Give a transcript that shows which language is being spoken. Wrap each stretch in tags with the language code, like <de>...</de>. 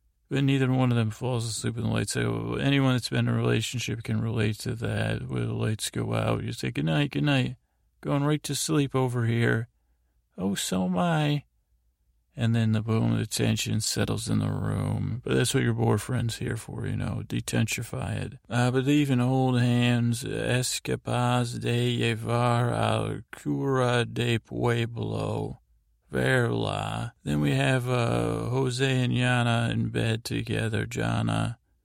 <en>But neither one of them falls asleep when the lights go out. Anyone that's been in a relationship can relate to that. When the lights go out, you say, good night. Going right to sleep over here. Oh, so am I. And then the boom, the tension settles in the room. But that's what your boyfriend's here for, you know, detensify it. But they even hold hands.</en> <es>Es capaz de llevar al cura de pueblo. Verla.</es> <en>Then we have Jose and Yana in bed together, Jana.</en>